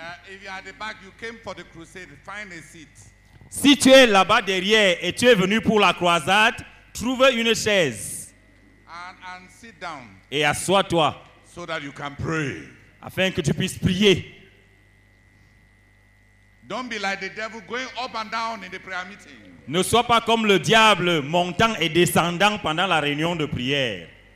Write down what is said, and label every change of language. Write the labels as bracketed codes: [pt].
[en] If you are at the back, you came for the crusade. Find a seat. [fr] Si tu es là-bas derrière et tu es venu pour la croisade, trouve une chaise. [en] And sit down. [fr] Et assois-toi. [en] So that you can pray. [fr] Afin que tu puisses prier. [en] Don't be like the devil going up and down in the prayer meeting. [fr] Ne sois pas comme le diable montant et descendant pendant la réunion de prière.